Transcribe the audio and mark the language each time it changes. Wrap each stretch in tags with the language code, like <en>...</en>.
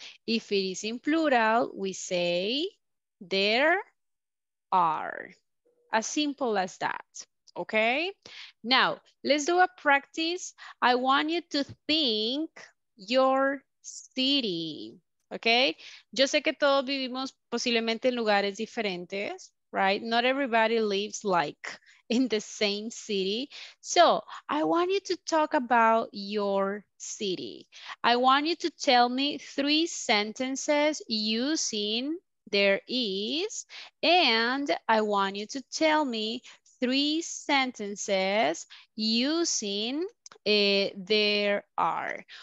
<en>If it is in plural, we say there are. As simple as that, okay? Now, let's do a practice. I want you to think your city, okay?</en> <es>Yo sé que todos vivimos posiblemente en lugares diferentes, right?</es> <en>Not everybody lives like in the same city. So I want you to talk about your city. I want you to tell me three sentences using there is, and I want you to tell me three sentences using there are.</en>